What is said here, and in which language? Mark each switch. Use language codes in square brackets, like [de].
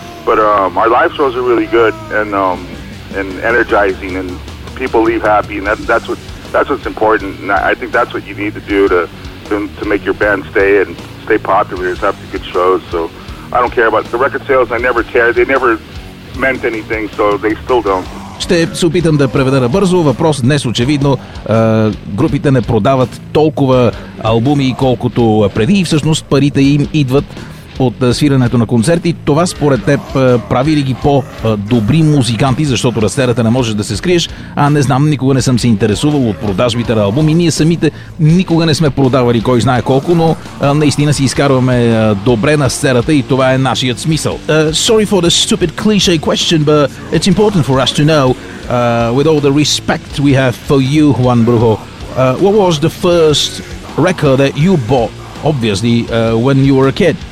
[en] But our live shows are really good and energizing, and people leave happy, and that's what's important. And I think that's what you need to do to make your band stay and stay popular, is have good shows. So I don't care about the record sales. I never cared. They never meant anything, so they still don't. [bg] Ще се опитам да преведа на бързо. Въпрос днес очевидно, групите не продават толкова албуми, колкото преди, и всъщност парите им идват от свирането на концерти. Това според теб прави ли ги по-добри музиканти, защото разсерата не можеш да се скриеш? А не знам, никога не съм се интересувал от продажбите на албуми. Ние самите никога не сме продавали кой знае колко, но наистина си изкарваме добре на сцената, и това е нашият смисъл. [en] Sorry for the stupid cliche question, but it's important for us to know, with all the respect we have for you, Juan Brujo, what was the first record that you bought, obviously, when you were a kid?